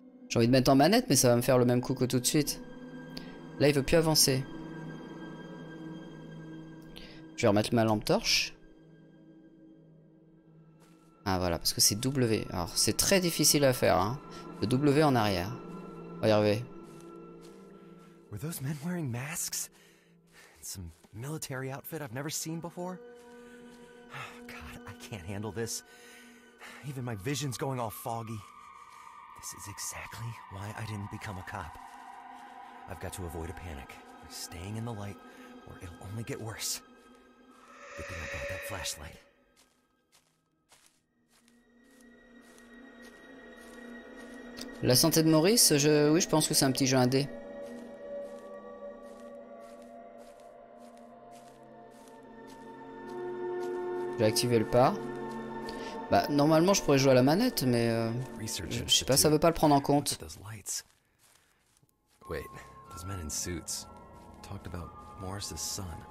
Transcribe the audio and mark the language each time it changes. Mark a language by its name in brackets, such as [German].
[French] J'ai envie de mettre en manette, mais ça va me faire le même coup que tout de suite. Là, il veut plus avancer. Je vais remettre ma lampe torche. Ah, voilà, parce que c'est W. Alors, c'est très difficile à faire, hein. Le W en arrière. On va y arriver. [English] Were those men wearing masks? Some military outfit I've never seen before? Oh, God, I can't handle this. Even my vision's going all foggy. This is exactly why I didn't become a cop. I've got to avoid a panic. Staying in the light, or it'll only get worse. Good thing I brought that flashlight. [French] La santé de Maurice, je pense que c'est un petit jeu indé. J'ai activé le pas. Bah normalement je pourrais jouer à la manette, mais je sais pas, ça veut pas le prendre en compte. [English] Wait. Those men in suits talked about Morris's son.